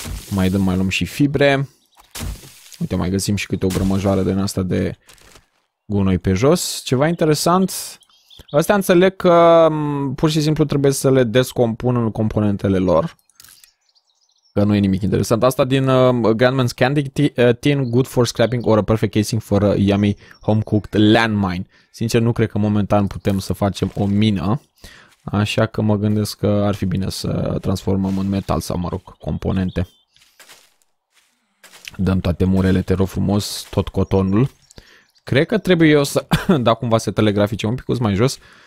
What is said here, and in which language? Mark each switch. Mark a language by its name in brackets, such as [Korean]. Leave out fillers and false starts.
[Romanian] Mai luăm și fibre. Uite, mai găsim și câte o grămăjoară din asta de gunoi pe jos. Ceva interesant. Astea înțeleg că pur și simplu trebuie să le descompun în componentele lor. Că nu e nimic interesant. Asta din [English] Grandman's Candy Tin, good for scrapping or a perfect casing for a yummy home-cooked landmine. [Romanian] Sincer, nu cred că momentan putem să facem o mină. Așa că mă gândesc că ar fi bine să transformăm în metal sau, mă rog, componente. Dăm toate murele, te rog frumos, tot cotonul. Cred că trebuie eu să dau cumva setele grafice un picuț mai jos.